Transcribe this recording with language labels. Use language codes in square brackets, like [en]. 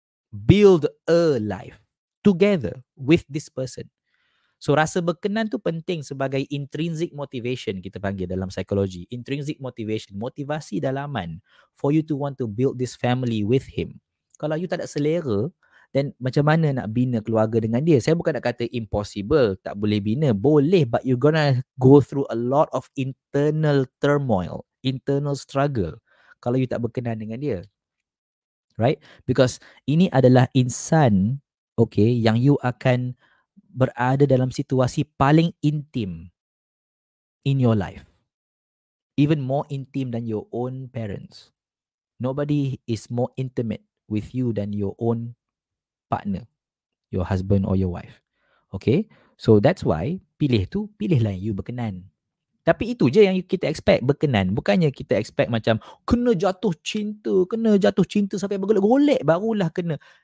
[en] Build a life together with this person. [ms] So, rasa berkenan tu penting sebagai intrinsic motivation, kita panggil dalam psikologi. [en] Intrinsic motivation, [ms] motivasi dalaman [en] for you to want to build this family with him. [ms] Kalau you tak ada selera, [en] then [ms] macam mana nak bina keluarga dengan dia? Saya bukan nak kata [en] impossible, [ms] tak boleh bina. Boleh, [en] but you're gonna go through a lot of internal turmoil, internal struggle [ms] kalau you tak berkenan dengan dia. [en] Right? Because [ms] ini adalah insan, okay, yang you akan berada dalam situasi paling intim [en] in your life. Even more intimate than your own parents. Nobody is more intimate with you than your own partner, your husband or your wife. Okay? So that's why, [ms] pilih tu, pilihlah yang you berkenan. Tapi itu je yang kita expect, berkenan. Bukannya kita expect macam, kena jatuh cinta sampai bergolek-golek, barulah kena.